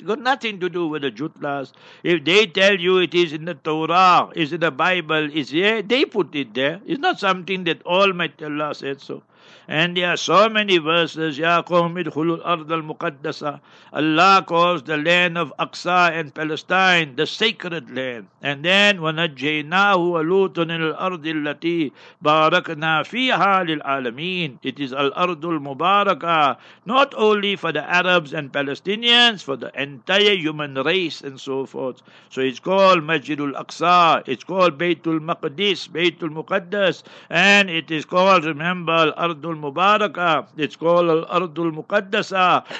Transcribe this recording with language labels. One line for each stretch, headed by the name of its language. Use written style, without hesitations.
English: It got nothing to do with the Jutlas. If they tell you it is in the Torah, is in the Bible, is here, they put it there. It's not something that Almighty Allah said so. And there are so many verses,
Arabic: Ya Qawm Idkhulul Ard Al Muqaddasa.
English: Allah calls the land of Aqsa and Palestine the sacred land.
Arabic: And then, وَنَجَّيْنَاهُ وَلُوتُنِ الْأَرْضِ الَّتِي بَارَكْنَا فِيهَا لِلْعَالَمِينَ.
English: It is Al-Ardu Al-Mubarakah, not only for the Arabs and Palestinians, for the entire human race and so forth. So it's called Majidul Aqsa, it's called Baytul Maqdis, Baytul Muqaddas, and it is called, remember, Ardul Mubaraka, it's called Al Ardul Muqaddasa.